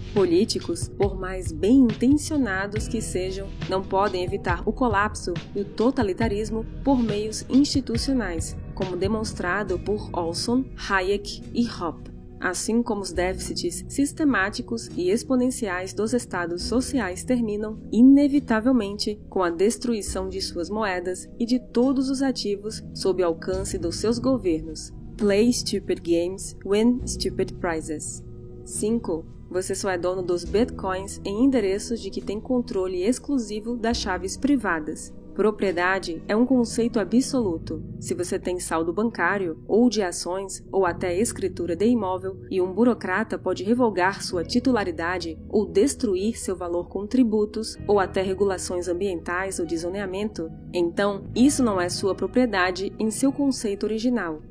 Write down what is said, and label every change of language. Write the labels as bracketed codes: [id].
[pt] Políticos, por mais bem intencionados que sejam, não podem evitar o colapso e o totalitarismo por meios institucionais, como demonstrado por Olson, Hayek e Hoppe. Assim como os déficits sistemáticos e exponenciais dos estados sociais terminam, inevitavelmente, com a destruição de suas moedas e de todos os ativos sob o alcance dos seus governos. [en] Play stupid games, win stupid prizes. [pt] 5. Você só é dono dos bitcoins em endereços de que tem controle exclusivo das chaves privadas. Propriedade é um conceito absoluto. Se você tem saldo bancário, ou de ações, ou até escritura de imóvel, e um burocrata pode revogar sua titularidade, ou destruir seu valor com tributos, ou até regulações ambientais ou de zoneamento, então isso não é sua propriedade em seu conceito original.